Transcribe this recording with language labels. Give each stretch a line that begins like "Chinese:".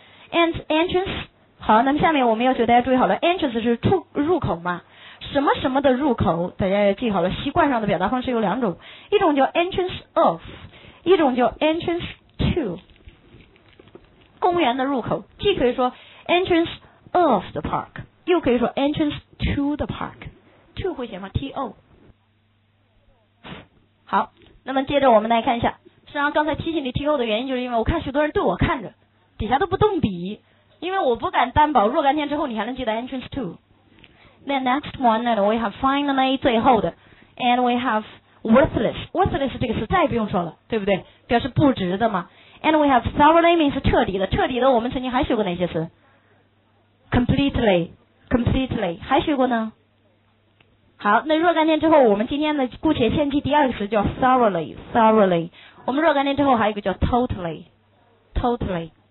Chinese: entrance， 好，那么下面我们要求大家注意好了， entrance 是出入口嘛，什么什么的入口，大家也记好了，习惯上的表达方式有两种，一种叫 entrance of， 一种叫 entrance to， 公园的入口，既可以说
English: entrance of the park，
Chinese: 又可以说
English: entrance to the park，
Chinese: to 会写吗？
English: to。
Chinese: 好，那么接着我们来看一下，实际上刚才提醒你 to 的原因，就是因为我看许多人对我看着，底下都不动笔，因为我不敢担保若干天之后你还能记得 entrance to。
English: The next one, and we have finally,
Chinese: 最后的
English: and we have worthless.
Chinese: Worthless 这个词再也不用说了，对不对？表示不值的嘛。
English: And we have thoroughly means
Chinese: 彻底的。彻底的我们曾经还学过哪些词？
English: Completely, completely.
Chinese: 还学过呢？好，那若干天之后，我们今天的姑且先记第二个词叫 thoroughly, thoroughly. 我们若干天之后还有一个叫 totally, totally.